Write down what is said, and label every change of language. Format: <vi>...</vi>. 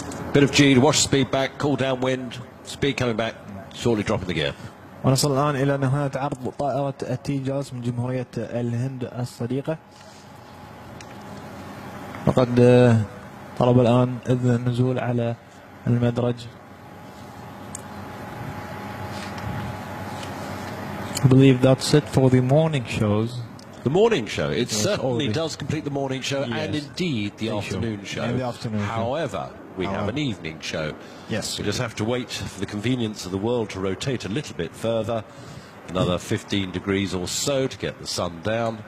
<en>Bit of G to wash speed back, cool down wind, speed coming back, shortly dropping the gear.</en> <ar>ونصل الآن إلى نهاية عرض طائرة تيجاس من جمهورية الهند الصديقة. وقد طلب الآن إذن النزول على المدرج.</ar> <en>I believe that's it for the morning shows. The morning show. It yes, certainly does complete the morning show, yes. And indeed the afternoon show. And the afternoon. However, show. We however. Have an evening show. Yes. We just have to wait for the convenience of the world to rotate a little bit further, another 15 degrees or so to get the sun down.</en>